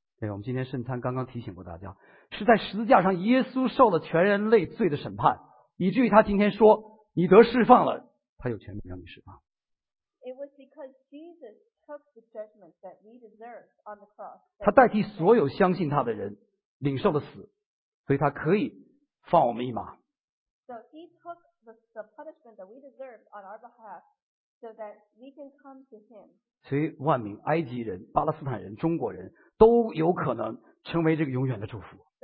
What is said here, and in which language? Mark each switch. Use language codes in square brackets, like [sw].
[zh] 对，我们今天圣餐刚刚提醒过大家，是在十字架上耶稣受了全人类罪的审判，以至于他今天说你得释放了，他有权利让你释放。 [en] It was because Jesus took the judgment that we deserved on the cross. [zh] 他代替所有相信他的人领受了死，所以他可以放我们一马。 [en] So he took the punishment that we deserved on our behalf so that we can come to him. [zh] 所以万民，埃及人、巴勒斯坦人、中国人都有可能成为这个永远的祝福。